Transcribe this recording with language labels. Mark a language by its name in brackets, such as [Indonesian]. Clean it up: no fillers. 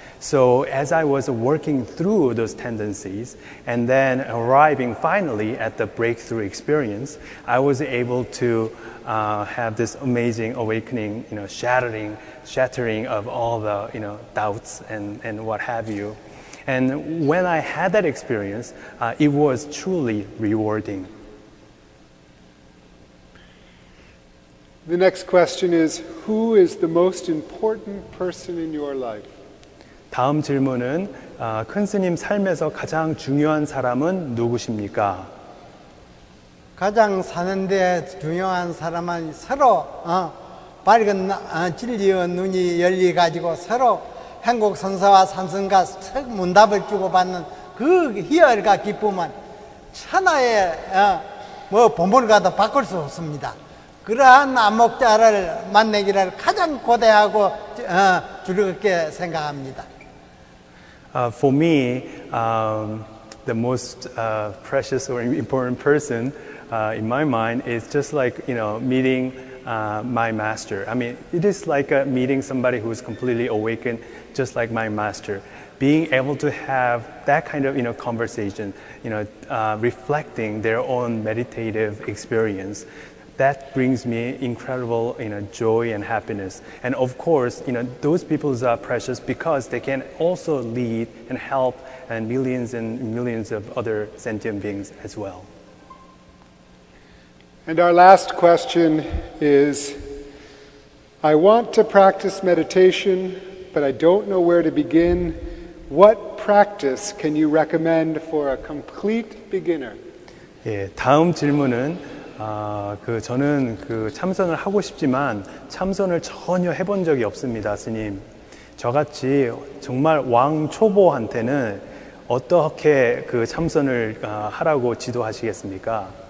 [English] So as I was working through those tendencies and then arriving finally at the breakthrough experience, I was able to have this amazing awakening, you know, shattering of all the, you know, doubts and what have you. And when I had that experience, it was truly rewarding. The next question is, who is the most important person in your life? [Korean] 다음 질문은 큰 스님 삶에서 가장 중요한 사람은 누구십니까? 가장 사는데 중요한 사람은 서로 밝은 진리의 눈이 열리 가지고 서로 행복 선사와 삼선가 첫 문답을 주고 받는 그 희열과 기쁨은 천하의 뭐 보물 가도 바꿀 수 없습니다. 그러한 안목자를 만나기를 가장 고대하고 즐겁게 생각합니다. [English] For me, the most precious or important person in my mind is just like, you know, meeting my master. I mean, it is like meeting somebody who is completely awakened, just like my master. Being able to have that kind of, you know, conversation, you know, reflecting their own meditative experience, that brings me incredible, you know, joy and happiness. And of course, you know, those people are precious because they can also lead and help and millions of other sentient beings as well. And our last question is, I want to practice meditation, but I don't know where to begin. What practice can you recommend for a complete beginner? [Korean] 예, 다음 질문은 저는 그 참선을 하고 싶지만 참선을 전혀 해본 적이 없습니다, 스님. 저같이 정말 왕 초보한테는 어떻게 그 참선을 하라고 지도하시겠습니까?